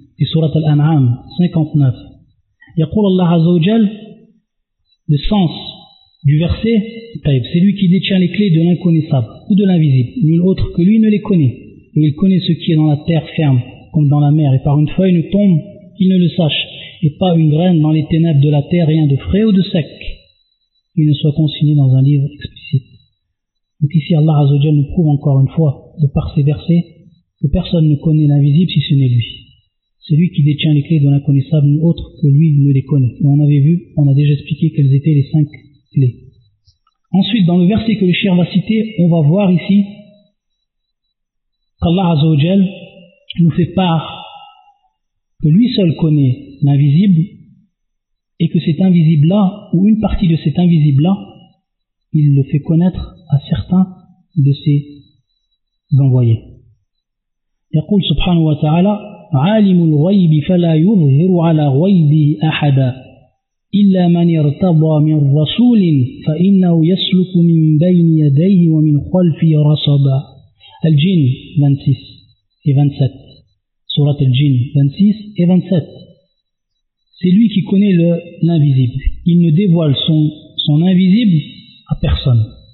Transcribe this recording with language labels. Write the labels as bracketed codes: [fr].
[ar] في سورة الأنعام 59 يقول الله عز وجل. [fr] Le sens du verset, c'est lui qui détient les clés de l'inconnaissable ou de l'invisible, nul autre que lui ne les connaît, et il connaît ce qui est dans la terre ferme comme dans la mer, et par une feuille ne tombe qu'il ne le sache, et pas une graine dans les ténèbres de la terre, rien de frais ou de sec il ne soit consigné dans un livre explicite. Donc ici Allah Azzawajal nous prouve encore une fois de par ces versets que personne ne connaît l'invisible si ce n'est lui. C'est lui qui détient les clés de l'inconnaissable, nul autre que lui ne les connaît. Et on avait vu, on a déjà expliqué quelles étaient les cinq clés. Ensuite, dans le verset que le shir va citer, on va voir ici qu'Allah Azzawajal nous fait part que lui seul connaît l'invisible, et que cet invisible-là, ou une partie de cet invisible-là, il le fait connaître à certains de ses envoyés. [ar] يقول سبحانه وتعالى عالم الغيب فلا يظهر على غيبه أحدا إلا من ارتضى من رسول فإنه يسلك من بين يديه ومن خلفه رصدا. الجن 26 et 27. سورة الجن 26 et 27. [fr] C'est lui qui connaît l'invisible. Il ne dévoile son invisible à personne.